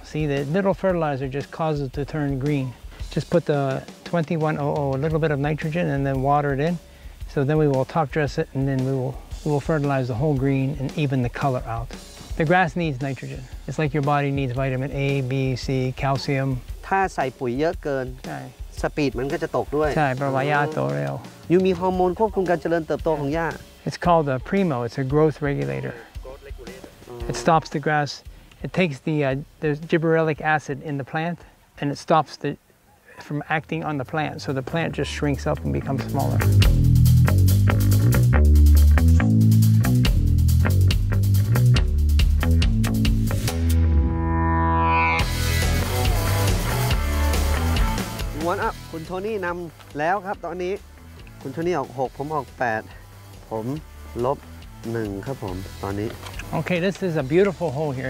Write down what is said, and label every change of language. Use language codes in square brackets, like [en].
[en] See, the little fertilizer just causes it to turn green. Just put the 2100, a little bit of nitrogen and then water it in. So then we will top dress it and then we will fertilize the whole green and even the color out. The grass needs nitrogen. It's like your body needs vitamin A, B, C, calcium. [th] ถ้าใส่ปุ๋ยเยอะเกินสปีดมันก็จะตกด้วย ใช่เพราะว่าหญ้าโตเร็ว ยูมีฮอร์โมนควบคุมการเจริญเติบโตของหญ้า [en] It's called a primo it's a growth regulator It stops the grass it takes the gibberellic acid in the plant and it stops the from acting on the plant so the plant just shrinks up and becomes smaller [th] วันอ่ะคุณโทนี่นำแล้วครับตอนนี้คุณโทนี่ออก6ผมออก8ผมลบ1ครับผมตอนนี้โอเค [en] this is a beautiful hole here